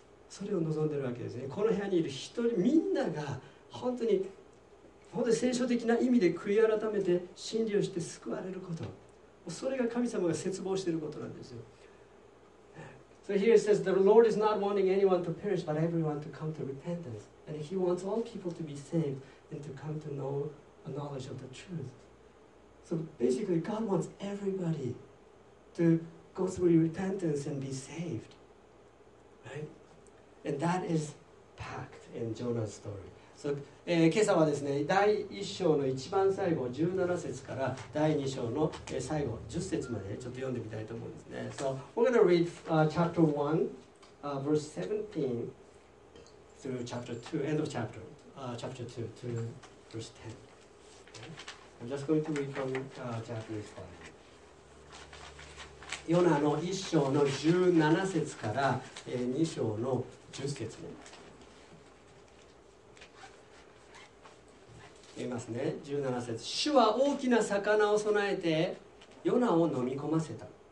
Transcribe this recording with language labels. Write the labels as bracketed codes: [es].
[ja] それを望んでるわけですね。この部屋にいる一人みんなが本当に本当に聖書的な意味で悔い改めて真理をして救われること、それが神様が切望していることなんですよ。 [en] So here it says the Lord is not wanting anyone to perish but everyone to come to repentance and he wants all people to be saved and to come to know a knowledge of the truth. So basically God wants everybody to go through repentance and be saved, right? And that is packed in Jonah's story. So, [ja] 今朝はですね、第1章の一番最後17節から第2章の最後10節までちょっと読んでみたいと思うんですね。 [en] So we're going to read chapter 1 verse 17 through chapter 2 end of chapter chapter 2 to verse 10. Okay. I'm just going to read from Japanese Bible. [ja] ヨナの1章の17節から2章の10節も言いますね。 17節、主は大きな魚を備えてヨナを飲み込ませた。